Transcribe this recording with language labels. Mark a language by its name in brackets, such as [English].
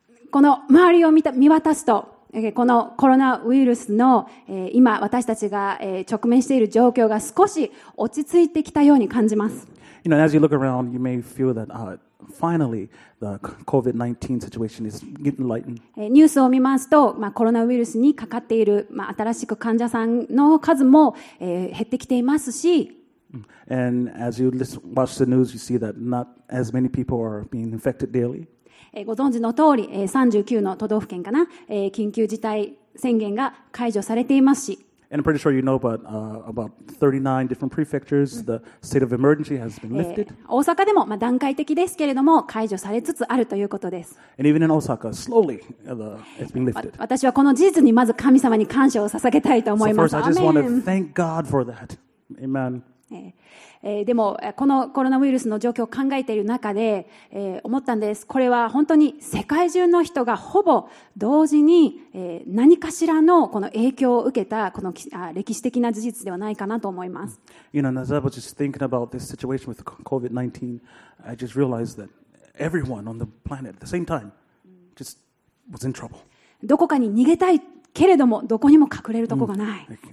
[Japanese] この周りを 見渡すと、このコロナウイルスの、今私たちが、直面している状況が少し落ち着いてきたように感じます。 [English] You know, as you look around, you may feel that, finally, the COVID-19 situation is getting lightened. [Japanese] ニュースを見ますと、コロナウイルスにかかっている、新しく患者さんの数も、減ってきていますし。 [English] And as you watch the news, you see that not as many people are being infected daily. [Japanese] ご存知の通り、39の都道府県かな、緊急事態宣言が解除されていますし。 [English] And I'm pretty sure you know, but about 39 different prefectures, the state of emergency has been lifted. [Japanese] 大阪でも、段階的ですけれども解除されつつあるということです。 [English] And even in Osaka, slowly, it's been lifted. [Japanese] 私はこの事実にまず神様に感謝を捧げたいと思います。 [English] So first, I just want to thank God for that. Amen. [Japanese] でもこのコロナウイルスの状況を考えている中で、思ったんです。これは本当に世界中の人がほぼ同時に、何かしらのこの影響を受けたこの歴史的な事実ではないかなと思います。 [English] You know, as I was just thinking about this situation with COVID-19, I just realized that everyone on the planet at the same time just was in trouble. [Japanese] どこかに逃げたいけれどもどこにも隠れるとこがない。